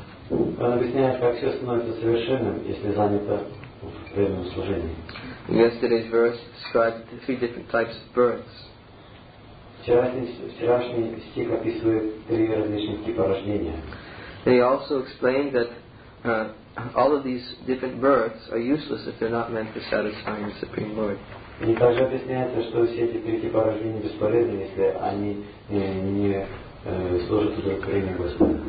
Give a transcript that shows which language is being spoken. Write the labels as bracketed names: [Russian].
[Russian] Он объясняет, как все становится совершенным, если занято в преданном служении. [English] Yesterday's verse describes the three different types of births. [Russian] Вчерашний стих описывает три различных типа рождения. [English] He also explained that all of these different births are useless if they're not meant to satisfy the Supreme Lord. [Russian] И также объясняется, что все эти три типа рождения бесполезны, если они не служат удовлетворению Господа.